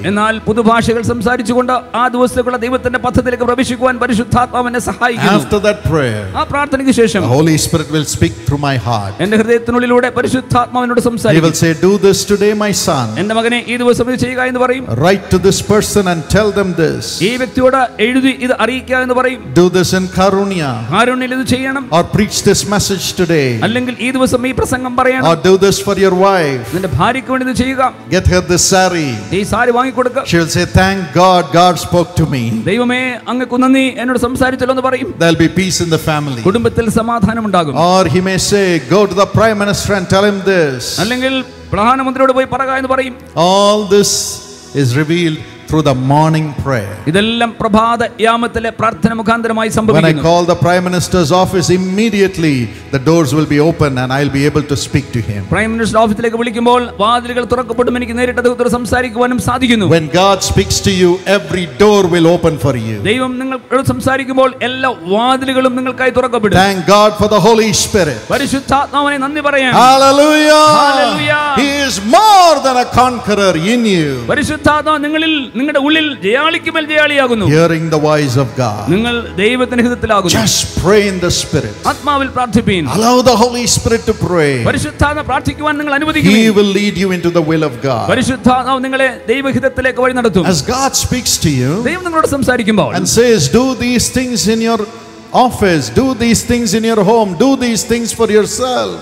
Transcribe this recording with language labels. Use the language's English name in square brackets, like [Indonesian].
[Malayalam] എന്നാൽ പുതുഭാഷകൾ സംസാരിച്ചുകൊണ്ട് ആ ദിവസത്തേക്കുള്ള ദൈവത്തിന്റെ പദ്ധതിയിലേക്ക് പ്രവേശിക്കുവാൻ പരിശുദ്ധാത്മാവ് എന്നെ സഹായിക്കുന്നു. [English] After that prayer, [Malayalam] ആ പ്രാർത്ഥനയ്ക്ക് ശേഷം, [English] the Holy Spirit will speak through my heart. [Malayalam] എന്റെ ഹൃദയത്തിനുള്ളിലൂടെ പരിശുദ്ധാത്മാവ് എന്നോട് സംസാരിക്കും. [English] He will say, do this today, my son. [Malayalam] എന്റെ മകനെ, ഈ ദിവസം ഇത് ചെയ്യുക എന്ന് പറയും. [English] Write to this person and tell them this. [Malayalam] ഈ വ്യക്തിയോട് എഴുതി ഇത് അറിയിക്കുക എന്ന് പറയും. [English] Do this in Karunya. [Malayalam] കാരുണ്യയിൽ ഇത് ചെയ്യണം. [English] Or preach this message today. [Malayalam] അല്ലെങ്കിൽ ഈ ദിവസം ഈ പ്രസംഗം പറയണം. [English] Or do this for your wife. [Malayalam] നിന്റെ ഭാര്യയ്ക്ക് വേണ്ടി ഇത് ചെയ്യുക. [English] Get her this sari. [Malayalam] ഈ സാരി വാങ്ങി കൊടുക്കുക. [English] She will say, thank God, God spoke to me. [Malayalam] ദൈവമേ, അങ്ങേക്ക് നന്ദി, എന്നോട് സംസാരിച്ചല്ലോ എന്ന് പറയും. [English] There will be peace in the family. [Malayalam] കുടുംബത്തിൽ സമാധാനം ഉണ്ടാകും. [English] Or he may say, go to the prime minister and tell him this. [Malayalam] അല്ലെങ്കിൽ പ്രധാനമന്ത്രിയോട് പോയി പറയുക എന്ന് പറയും. [English] All this is revealed through the morning prayer. [Malayalam] ഇതെല്ലാം പ്രഭാത യാമത്തിലെ പ്രാർത്ഥന മുഖാന്തരമായി സംഭവിക്കുന്നു. [English] When I call the prime minister's office, immediately the doors will be open and I'll be able to speak to him. [Malayalam] Prime minister ഓഫീസിലേക്ക് വിളിക്കുമ്പോൾ വാതിലുകൾ തുറക്കപ്പെടും, എനിക്ക് നേരിട്ട് ദൈവത്തോട് സംസാരിക്കുവാനും സാധിക്കുന്നു. [English] When God speaks to you, every door will open for you. [Malayalam] ദൈവം നിങ്ങളോട് സംസാരിക്കുമ്പോൾ എല്ലാ വാതിലുകളും നിങ്ങൾക്കായി തുറക്കപ്പെടും. [English] Thank God for the Holy Spirit. [Malayalam] പരിശുദ്ധാത്മാവിനെ നന്ദി പറയാം. [English] Hallelujah. [Malayalam] Hallelujah. [English] He is more more than a conqueror in you. [Malayalam] പരിശുദ്ധാത്മാവ് നിങ്ങളിൽ നിങ്ങളുടെ ഉള്ളിൽ ജയാളിക്കുമേൽ ജയാളിയാകുന്നു. [English] Hearing the voice of God. [Malayalam] നിങ്ങൾ ദൈവത്തിന്റെ ഹൃദയത്തിലാകുന്നു. [English] Just pray in the spirit. [Malayalam] ആത്മാവിൽ പ്രാർത്ഥിപ്പീൻ. [English] Allow the Holy Spirit to pray. [Malayalam] പരിശുദ്ധാത്മാവ് പ്രാർത്ഥിക്കുവാൻ നിങ്ങൾ അനുവദിക്കുവിൻ. [English] He will lead you into the will of God. [Malayalam] പരിശുദ്ധാത്മാവ് നിങ്ങളെ ദൈവഹിതത്തിലേക്ക് വഴി നടത്തും. [English] As God speaks to you. [Malayalam] ദൈവം നിങ്ങളോട് സംസാരിക്കുമ്പോൾ. [English] And says do these things in your office, do these things in your home, do these things for yourself.